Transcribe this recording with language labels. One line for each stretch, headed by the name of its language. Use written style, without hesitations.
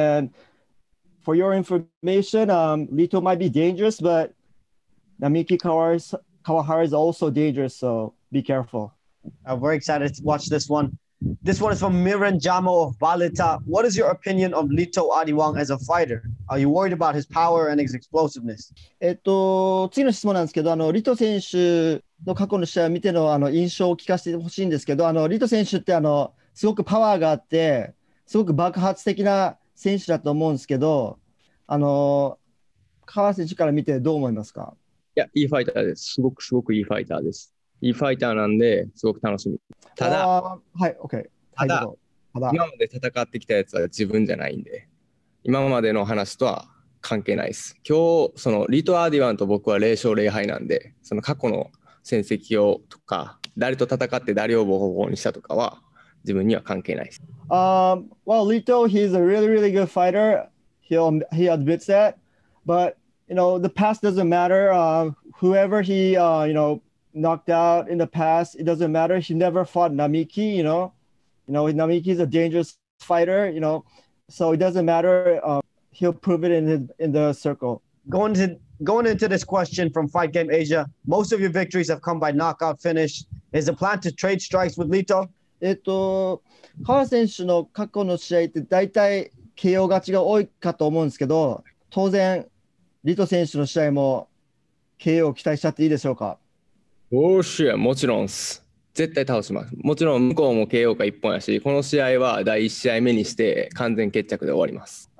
English: And for your information, Lito might be dangerous, but Namiki Kawahara is also dangerous. So be careful. I'm very excited to watch this one. This one is from Miran Jamo of Balita. What is your opinion of Lito Adiwang as a fighter? Are you worried about his power and his explosiveness?
Japanese: 次の質問なんですけど、あのリト選手の過去の試合を見て の, あの印象を聞かせてほしいんですけど、あのリト選手ってあのすごくパワーがあって、すごく爆発的な選手だと思うんですけど、あの川選手から見てどう思いますか？いや、いいファイターです。すごくすごくいいファイターです。いいファイターなんで、すごく楽しみ。ただ、はい、OK。ただ、今まで戦ってきたやつは自分じゃないんで、今までの話とは関係ないです。今日、その、リト・アーディワンと僕は0勝0敗なんで、その過去の戦績をとか、誰と戦って誰をボコボコにしたとかは、自分には関係ないです。
English: Well, Lito, he's a really, really good fighter. He admits that. But, you know, the past doesn't matter. Whoever he, you know,knocked out in the past, it doesn't matter. He never fought Namiki, you know. You know, Namiki is a dangerous fighter, you know. So it doesn't matter. He'll prove it in the circle. Going into this question from Fight Game Asia, most of your victories have come by knockout finish. Is the plan to trade strikes with Lito?
Japanese: 川選手の過去の試合って大体 KO 勝ちが多いかと思うんですけど、当然リト選手の試合も KO を期待しちゃっていいでしょうか？おーしゅ、もちろんっす。絶対倒します。もちろん向こうも KO か一本やし、この試合は第一試合目にして完全決着で終わります。